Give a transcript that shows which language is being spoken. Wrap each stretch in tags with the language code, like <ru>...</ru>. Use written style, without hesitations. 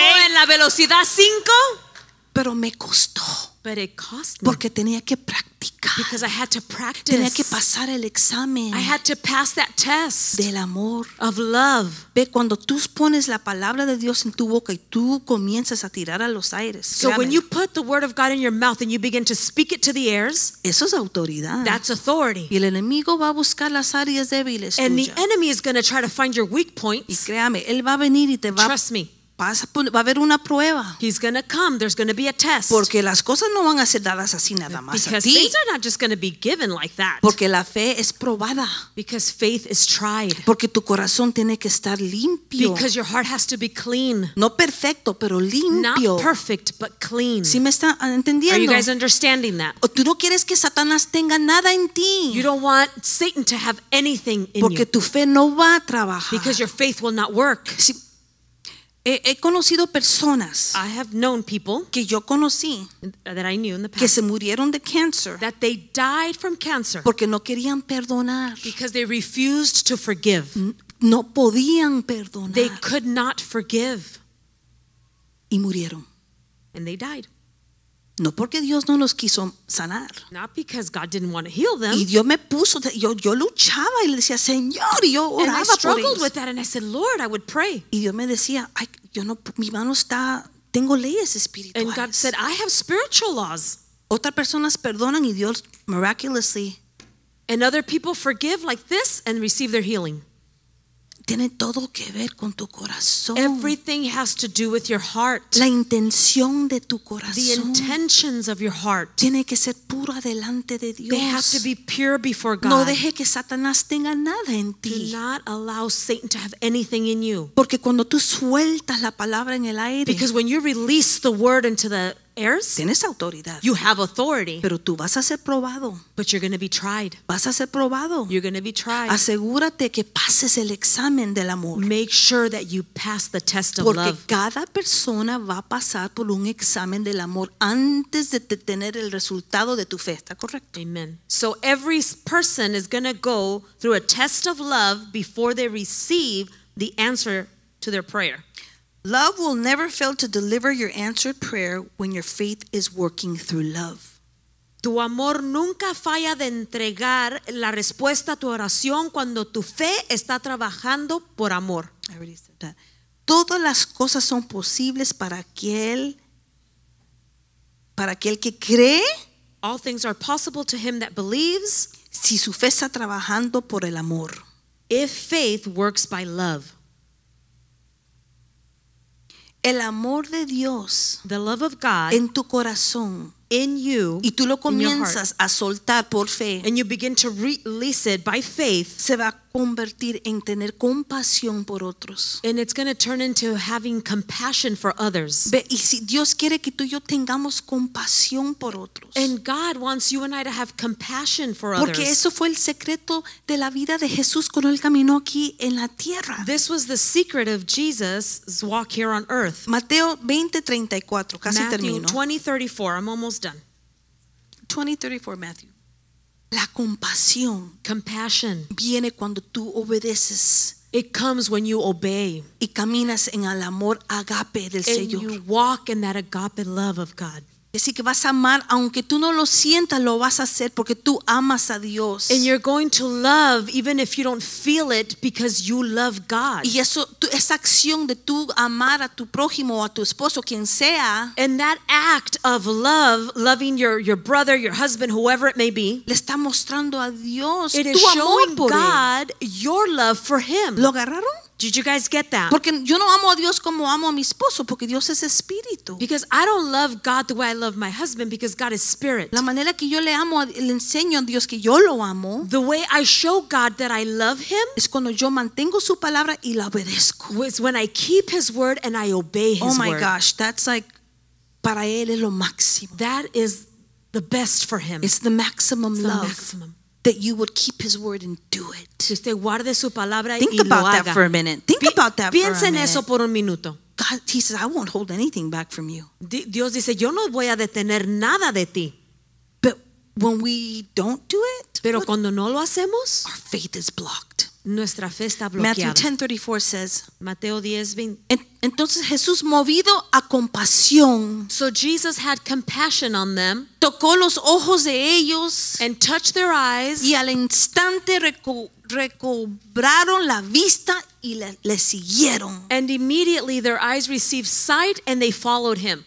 <es>Pongo en la velocidad cinco. Pero me costó.</es> <en>But it cost me.</en> <es>Porque tenía que practicar.</es> <en>Because I had to practice.</en> <es>Tenía que pasar el examen.</es> <en>I had to pass that test.</en> <es>Del amor.</es> <en>Of love.</en> <es>Ve, cuando tú pones la palabra de Dios en tu boca y tú comienzas a tirar a los aires.</es> <en>So when you put the word of God in your mouth and you begin to speak it to the airs.</en> <es>Eso es autoridad.</es> <en>That's authority.</en> <es>Y el enemigo va a buscar las áreas débiles tuyas.</es> <en>And the enemy is going to try to find your weak points.</en> <es>Y créame, él va a venir y te va.</es> <en>Trust me.</en> <es>Va a haber una prueba.</es> <en>He's going to come. There's going to be a test.</en> <es>Porque las cosas no van a ser dadas así nada más a ti.</es> <en>Because things are not just going to be given like that.</en> <es>Porque la fe es probada.</es> <en>Because faith is tried.</en> <es>Porque tu corazón tiene que estar limpio.</es> <en>Because your heart has to be clean.</en> <es>No perfecto, pero limpio.</es> <en>Not perfect, but clean.</en> <es>¿Sí me está entendiendo?</es> <en>Are you guys understanding that?</en> <es>O tú no quieres que Satanás tenga nada en ti.</es> <en>You don't want Satan to have anything in you.</en> <es>Porque tu fe no va a trabajar.</es> <en>Because your faith will not work.</en> <es>Sí. He conocido personas</es> <en>I have known people</en> <es>que yo conocí</es> <en>that I knew in the past</en> <es>que se murieron de cáncer</es> <en>that they died from cancer</en> <es>porque no querían perdonar</es> <en>because they refused to forgive.</en> <es>No podían perdonar.</es> <en>They could not forgive.</en> <es>Y murieron.</es> <en>And they died.</en> <es>No porque Dios no los quiso sanar.</es> <en>Not because God didn't want to heal them.</en> <es>Y Dios me puso, yo luchaba y le decía, Señor, y yo oraba por ellos.</es> <en>And I struggled with that and I said, Lord, I would pray.</en> <es>Y Dios me decía, ay, yo no, mi mano está, tengo leyes espirituales.</es> <en>And God said, I have spiritual laws.</en> <es>Otras personas perdonan y Dios</es> <en>miraculously. And other people forgive like this and receive their healing.</en> <es>Tiene todo que ver con tu corazón.</es> <en>Everything has to do with your heart.</en> <es>La intención de tu corazón.</es> <en>The intentions of your heart.</en> <es>Tiene que ser pura delante de Dios.</es> <en>They have to be pure before God.</en> <es>No deje que Satanás tenga nada en ti.</es> <en>Do not allow Satan to have anything in you.</en> <es>Porque cuando tú sueltas la palabra en el aire.</es> <en>Because when you release the word into the airs.</en> <es>Tienes autoridad.</es> <en>You have authority.</en> <es>Pero tú vas a ser probado.</es> <en>But you're going to be tried.</en> <es>Vas a ser probado.</es> <en>You're going to be tried.</en> <es>Asegúrate que pases el examen del amor.</es> <en>Make sure that you pass the test of</en> <es>Porque</es> <en>love.</en> <es>Porque cada persona va a pasar por un examen del amor antes de tener el resultado de tu fe. ¿Está correcto?</es> <en>Amen. So every person is going to go through a test of love before they receive the answer to their prayer. Love will never fail to deliver your answered prayer when your faith is working through love.</en> <es>Tu amor nunca falla de entregar la respuesta a tu oración cuando tu fe está trabajando por amor.</es> <en>I already said that.</en> <es>Todas las cosas son posibles para aquel que cree.</es> <en>All things are possible to him that believes.</en> <es>Si su fe está trabajando por el amor.</es> <en>If faith works by love.</en> <es>El amor de Dios</es> <en>the love of God</en> <es>en tu corazón</es> <en>in you,</en> <es>y tú lo comienzas a soltar por fe</es> <en>and you begin to release it by faith</en> <es>se va a convertir en tener compasión por otros</es> <en>and it's going to turn into having compassion for others.</en> <es>Ve, y si Dios quiere que tú y yo tengamos compasión por otros</es> <en>and God wants you and I to have compassion for</en> <es>porque</es> <en>others</en> <es>porque eso fue el secreto de la vida de Jesús cuando él caminó aquí en la tierra.</es> <en>This was the secret of Jesus' walk here on earth.</en> <es>Mateo 20:34 casi</es> <en>Matthew</en> <es>termino.</es> <en>Matthew 20:34 I'm almost done.</en> <es>20:34 Matthew. La compasión.</es> <en>Compassion.</en> <es>Viene cuando tú obedeces.</es> <en>It comes when you obey.</en> <es>Y caminas en el amor agape del Señor.</es> <en>And you walk in that agape love of God.</en> <es>Decir que vas a amar aunque tú no lo sientas, lo vas a hacer porque tú amas a Dios.</es> <en>And you're going to love even if you don't feel it because you love God.</en> <es>Y eso, esa acción de tú amar a tu prójimo o a tu esposo, quien sea.</es> <en>And that act of love, loving your brother, your husband, whoever it may be.</en> <es>Le está mostrando a Dios tu amor por él.</es> <en>It is showing God your love for him.</en> <es>¿Lo agarraron?</es> <en>Did you guys get that?</en> <es>Porque yo no amo a Dios como amo a mi esposo, porque Dios es espíritu.</es> <en>Because I don't love God the way I love my husband, because God is spirit.</en> <es>La manera que yo le amo, le enseño a Dios que yo lo amo.</es> <en>The way I show God that I love him</en> <es>es cuando yo mantengo su palabra y la obedezco.</es> <en>It's when I keep his word and I obey his word. Oh my gosh, that's like,</en> <es>para él es lo máximo.</es> <en>That is the best for him. It's the maximum love. The maximum. That you would keep his word and do it.</en> <es>Usted guarde su palabra</es> <en>Think</en> <es>y lo haga.</es> <en>Think about that for a minute. Think about that</en> <es>Piense</es> <en>for a minute.</en> <es>En eso por un minuto.</es> <en>God, he says, I won't hold anything back from you.</en> <es>Dios dice, yo no voy a detener nada de ti.</es> <en>But when we don't do it,</en> <es>pero</es> <en>what?</en> <es>Cuando no lo hacemos,</es> <en>our faith is blocked.</en> <es>Nuestra fe está bloqueada.</es> <en>Matthew 10:34 says,</en> <es>Mateo 10:20. Entonces Jesús, movido a compasión,</es> <en>so Jesus had compassion on them,</en> <es>tocó los ojos de ellos,</es> <en>and touched their eyes,</en> <es>y al instante recobraron la vista y le siguieron.</es> <en>And immediately their eyes received sight and they followed him.</en>